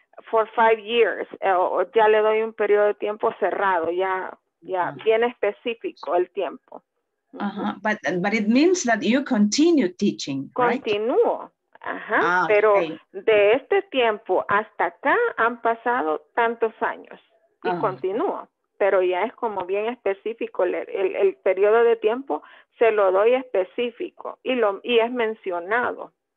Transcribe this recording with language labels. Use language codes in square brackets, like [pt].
[en] for 5 years, [es] ya le doy un periodo de tiempo cerrado, ya bien específico el tiempo. Uh-huh. [en] But it means that you continue teaching, right? [es] Continúo, ajá, pero de este tiempo hasta acá han pasado tantos años y continúo, pero ya es como bien específico, el periodo de tiempo se lo doy específico y es mencionado.